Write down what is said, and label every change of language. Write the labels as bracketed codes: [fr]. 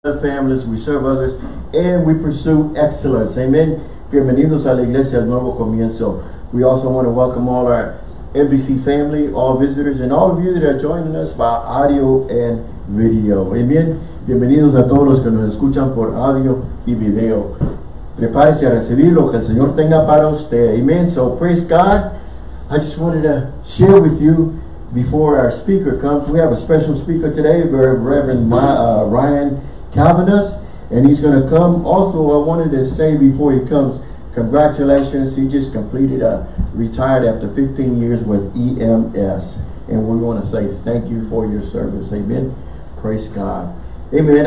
[en] our families, we serve others, and we pursue excellence. Amen. [es] Bienvenidos a la iglesia del nuevo comienzo. [en] We also want to welcome all our NBC family, all visitors, and all of you that are joining us by audio and video. Amen. [es] Bienvenidos a todos los que nos escuchan por audio y video. Prepárese a recibir lo que el Señor tenga para usted. [en] Amen. So praise God. I just wanted to share with you before our speaker comes. We have a special speaker today, Reverend Ryan Canavess, and he's going to come. Also, I wanted to say before he comes, congratulations. He just completed a retired after 15 years with EMS, and we want to say thank you for your service. Amen. Praise God. Amen.